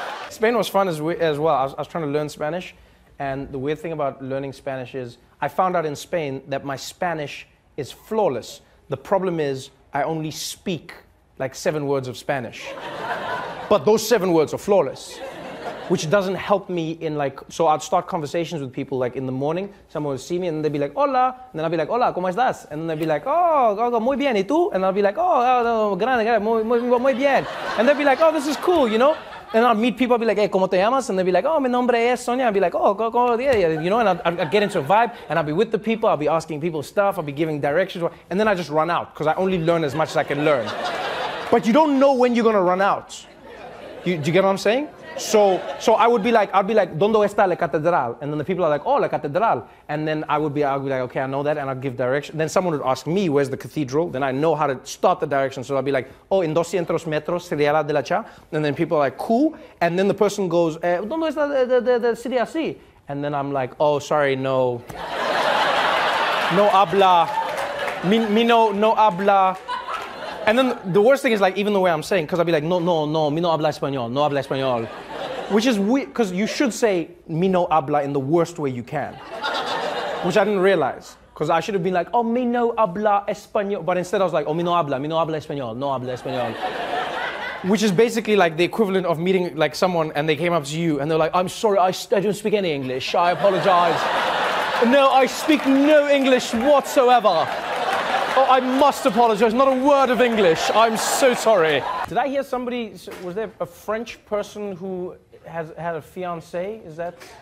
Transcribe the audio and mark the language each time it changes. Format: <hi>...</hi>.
<en>Spain was fun as well. I was trying to learn Spanish. And the weird thing about learning Spanish is I found out in Spain that my Spanish is flawless. The problem is I only speak like 7 words of Spanish. But those 7 words are flawless, which doesn't help me in like... So I'd start conversations with people like in the morning. Someone would see me and they'd be like, hola. And then I'd be like,</en> <es>hola, ¿cómo estás?</es> <en>And then they'd be like, oh,</en> <es>muy bien, ¿y tú?</es> <en>And I'd be like, oh,</en> <es>grande, muy bien.</es> <en>And they'd be like, oh, this is cool, you know? And I'd meet people, I'd be like, hey,</en> <es>¿cómo te llamas?</es> <en>And they'd be like, oh,</en> <es>mi nombre es Sonia.</es> <en>I'd be like, oh, ¿cómo? Yeah, you know? And I'd get into a vibe and I'd be with the people. I'd be asking people stuff. I'd be giving directions. And then I just run out because I only learn as much as I can learn. But you don't know when you're going to run out. Do you get what I'm saying? So I'd be like,</en> <es>¿dónde está la catedral?</es> <en>And then the people are like, oh, la catedral. And then I'd be like, okay, I know that, and I'd give direction. Then someone would ask me, where's the cathedral? Then I know how to start the direction. So I'd be like, oh,</en> <es>en 200 metros sería la de la cha.</es> <en>And then people are like, cool. And then the person goes,</en> <es>¿dónde está la city así?</es> <en>And then I'm like, oh, sorry, no.</en> <es>No habla. Mi no habla.</es> <en>And then the worst thing is, like, even the way I'm saying, because I'd be like, no,</en> <es>mi no habla español, no habla español.</es> <en>Which is weird, because you should say</en> <es>mi no habla</es> <en>in the worst way you can. Which I didn't realize, because I should have been like, oh,</en> <es>mi no habla español.</es> <en>But instead I was like, oh,</en> <es>mi no habla español, no habla español.</es> <en>Which is basically like the equivalent of meeting, like, someone and they came up to you and they're like, I'm sorry, I don't speak any English, I apologize. No, I speak no English whatsoever. Oh, I must apologize, not a word of English. I'm so sorry. Did I hear somebody, was there a French person who has had a fiance? Is that?</en>